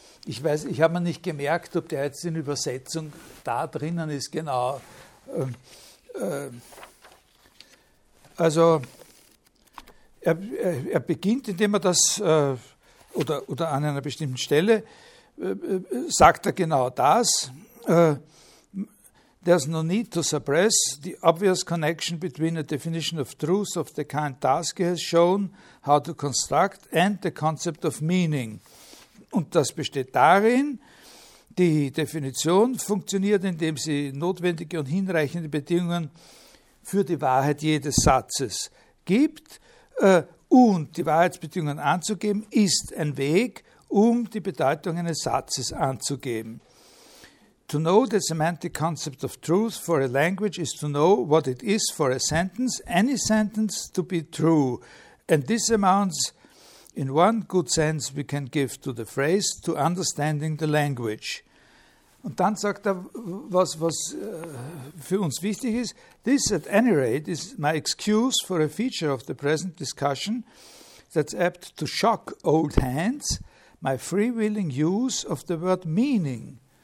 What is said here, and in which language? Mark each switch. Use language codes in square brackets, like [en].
[de] Ich weiß, ich habe mir nicht gemerkt, ob der jetzt in Übersetzung da drinnen ist, genau. Also er beginnt, indem er das, oder an einer bestimmten Stelle, sagt er genau das. [en] There's no need to suppress the obvious connection between a definition of truth of the kind Tarski has shown, how to construct, and the concept of meaning. [de] Und das besteht darin, die Definition funktioniert, indem sie notwendige und hinreichende Bedingungen für die Wahrheit jedes Satzes gibt. Und die Wahrheitsbedingungen anzugeben, ist ein Weg, um die Bedeutung eines Satzes anzugeben. [en] To know the semantic concept of truth for a language is to know what it is for a sentence, any sentence to be true. And this amounts, in one good sense we can give to the phrase, to understanding the language. [de] Und dann sagt er, was für uns wichtig ist, [en] this at any rate is my excuse for a feature of the present discussion that's apt to shock old hands, my free-willing use of the word meaning.